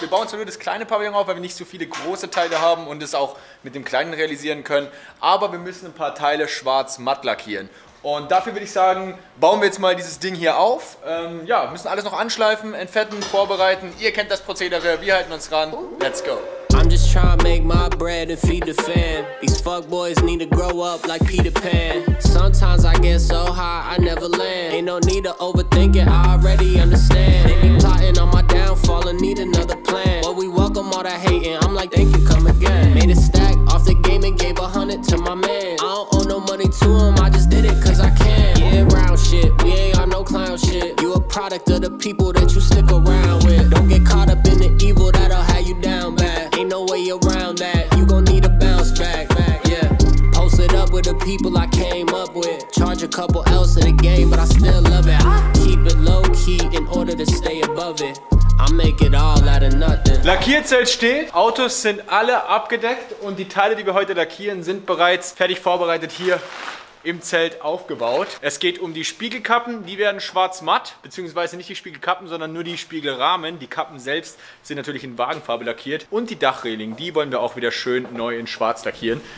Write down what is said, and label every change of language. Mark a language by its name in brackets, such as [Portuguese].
[German] Wir bauen zwar nur das kleine Pavillon auf, weil wir nicht so viele große Teile haben und es auch mit dem kleinen realisieren können. Aber wir müssen ein paar Teile schwarz-matt lackieren. Und dafür würde ich sagen, bauen wir jetzt mal dieses Ding hier auf. Ja, müssen alles noch anschleifen, entfetten, vorbereiten. Ihr kennt das Prozedere, wir halten uns ran. [English] Let's go. I'm just trying to make my bread and feed the fam. These fuckboys need to grow up like Peter Pan. Sometimes I get so high, I never land. Ain't no need to overthink it, I already understand. They be plotting on my downfall and need another plan. But we welcome all that hating, I'm like, thank you, come again. Made a stack off the game and gave 100 to my man. I don't owe no money to him, I just did it cause I can. Yeah, round shit, we ain't on no clown shit. You a product of the people that you stick around with. Don't get caught up in the evil that'll have you down bad. Ain't no way around that, you gon' need a bounce back, back, yeah. Post it up with the people I came up with. Charge a couple else in the game, but I still love it. Keep it low key in order to stay above it. I make it all out of nothing. [German] Lackierzelt steht, Autos sind alle abgedeckt und die Teile, die wir heute lackieren, sind bereits fertig vorbereitet hier im Zelt aufgebaut. Es geht um die Spiegelkappen, die werden schwarz-matt, beziehungsweise nicht die Spiegelkappen, sondern nur die Spiegelrahmen. Die Kappen selbst sind natürlich in Wagenfarbe lackiert und die Dachreling, die wollen wir auch wieder schön neu in schwarz lackieren.